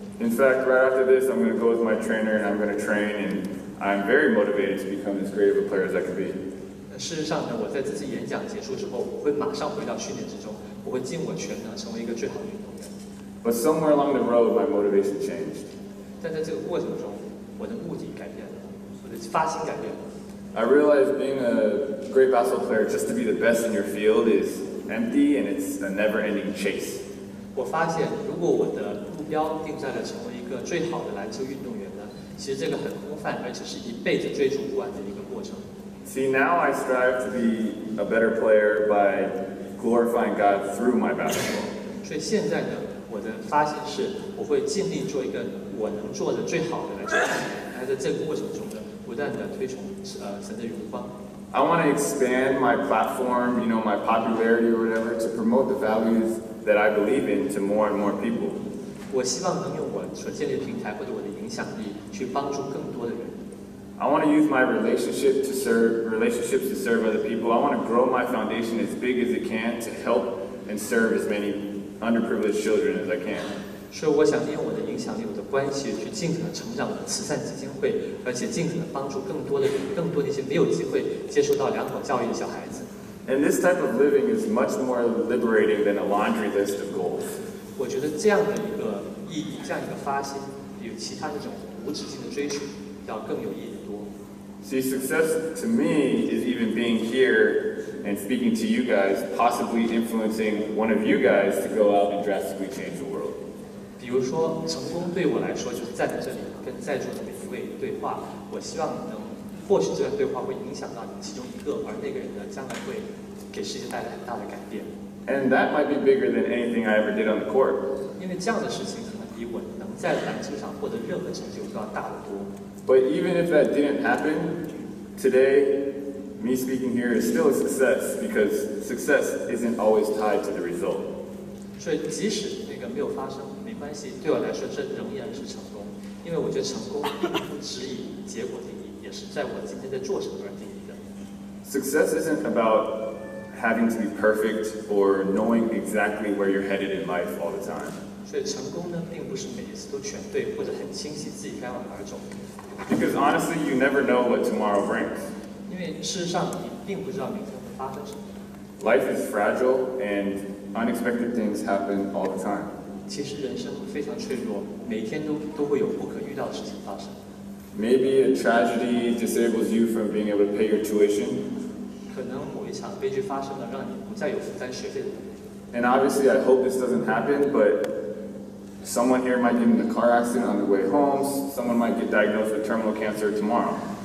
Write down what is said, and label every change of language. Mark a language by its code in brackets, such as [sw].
[en] In fact, right after this, I'm going to go with my trainer and I'm going to train, and I'm very motivated to become as great of a player as I can be. [zh] 事实上呢，我在这次演讲结束之后，我会马上回到训练之中，我会尽我全能成为一个最好的运动员。 [en] But somewhere along the road, my motivation changed. [zh] 但在这个过程中，我的目的改变了，我的发心改变了。 [en] I realized being a great basketball player just to be the best in your field is empty and it's a never-ending chase. [zh] 我发现，如果我的目标定在了成为一个最好的篮球运动员呢，其实这个很空泛，而且是一辈子追逐不完的一个过程。 [en] See, now I strive to be a better player by glorifying God through my basketball. [zh] 所以现在呢，我的发现是，我会尽力做一个我能做的最好的篮球运动员，还在这个过程中呢，不断的推崇神的荣光。 [en] I want to expand my platform, you know, my popularity or whatever, to promote the values that I believe in to more and more people. [zh] 我希望能用我所建立的平台或者我的影响力去帮助更多的人。 [en] I want to use my relationships to serve other people. I want to grow my foundation as big as it can to help and serve as many underprivileged children as I can. [zh] 所以我想利用我的影响力、我的关系去尽可能成长我的慈善基金会，而且尽可能帮助更多的人、更多那些没有机会接受到良好教育的小孩子。 [en] And this type of living is much more liberating than a laundry list of goals. [zh] 我觉得这样的一个意义，这样一个发心，比其他那种无止境的追寻要更有意义的多。 [en] See, success to me is even being here and speaking to you guys, possibly influencing one of you guys to go out and drastically change the world. [zh] 比如说，成功对我来说就是站在这里跟在座的每一位对话。我希望能，或许这段对话会影响到你其中一个，而那个人呢，将来会给世界带来很大的改变。 [en] And that might be bigger than anything I ever did on the court. [zh] 因为这样的事情可能比我能在篮球上获得任何成就都要大得多。 [en] But even if that didn't happen, today, me speaking here is still a success because success isn't always tied to the result. [zh] 所以即使那个没有发生，没关系，对我来说这仍然是成功。因为我觉得成功不只以结果定义，也是在我今天在做什么而定义的。 [en] Success isn't about having to be perfect or knowing exactly where you're headed in life all the time. [zh] 所以成功呢，并不是每一次都全对，或者很清晰自己该往哪儿走。 [en] Because honestly, you never know what tomorrow brings. [zh] 因为事实上，你并不知道明天会发生什么。 [en] Life is fragile, and unexpected things happen all the time. [zh] 其实人生非常脆弱，每天都会有不可预料的事情发生。 [en] Maybe a tragedy disables you from being able to pay your tuition. [zh] 可能某一场悲剧发生了，让你不再有负担学费的能力。 [en] And obviously, I hope this doesn't happen, but someone here might get in a car accident on their way home. Someone might get diagnosed with terminal cancer tomorrow.